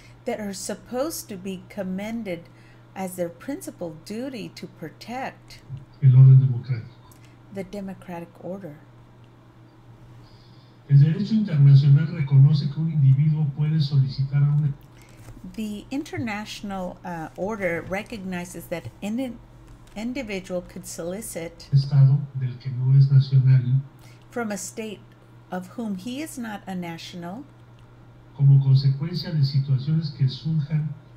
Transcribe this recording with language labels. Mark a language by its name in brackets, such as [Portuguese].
[English] that are supposed to be commended as their principal duty to protect, [Spanish] el orden democrático, [English] the democratic order. [Spanish] El derecho internacional reconoce que un individuo puede solicitar a un. [English] The international order recognizes that an individual could solicit [Spanish] estado del que no es nacional, [English] from a state of whom he is not a national, [Spanish] como consecuencia de situaciones que surjan,